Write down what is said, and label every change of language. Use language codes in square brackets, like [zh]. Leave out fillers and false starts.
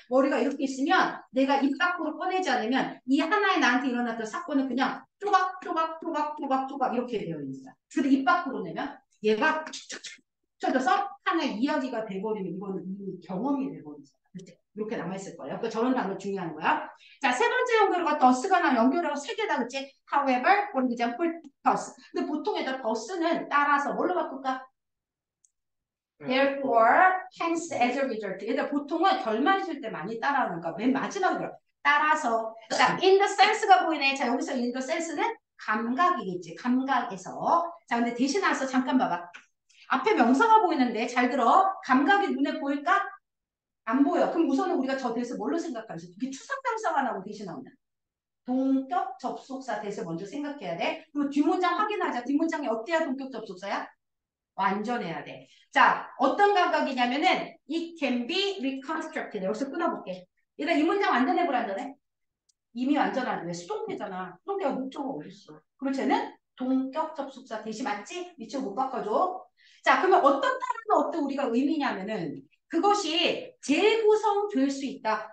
[ko] 머리가 이렇게 있으면 내가 입 밖으로 꺼내지 않으면 이 하나의 나한테 일어났던 사건은 그냥 조각조각조각조각조각 이렇게 되어 있습니다. 그리고 입 밖으로 내면 얘가 쳐져서 하나의 이야기가 돼버리면 이거는 이미 경험이 돼버리죠. 이렇게 남아있을 거예요. 그러니까 저런 단어 중요한 거야. 자, 세 번째 연결어가 더스가 나 연결어가 세 개다, 그치? [en] However, for example, 더스. [ko] 근데 보통에다 더스는 따라서 뭘로 바꿀까? [en] Therefore, hence, as a result. [ko] 얘들 보통은 결말 있을 때 많이 따라하는 거야. 맨 마지막으로. 따라서. 자, [en] in the sense [ko] 가 보이네. 자, 여기서 in the sense는 감각이겠지. 감각에서. 자, 근데 대신 와서 잠깐 봐봐. 앞에 명사가 보이는데 잘 들어. 감각이 눈에 보일까? 안 보여. 그럼 우선은 우리가 저 대세 뭘로 생각할 수 있어? 이게 추상명사가 나오고 대신 나오냐? 동격 접속사 대세 먼저 생각해야 돼. 그리고 뒷문장 확인하자. 뒷문장이 어때야 동격 접속사야? 완전해야 돼. 자, 어떤 감각이냐면은 [en] it can be reconstructed. [ko] 여기서 끊어볼게. 일단 이 문장 완전해 보란 전에 이미 완전하네. 수동태잖아. 수동태가 목적어 어딨어? 그럼 쟤는 동격 접속사 대신 맞지? 위치 못 바꿔줘. 자, 그러면 어떤 단어는 어떤 우리가 의미냐면은 그것이 재구성될 수 있다.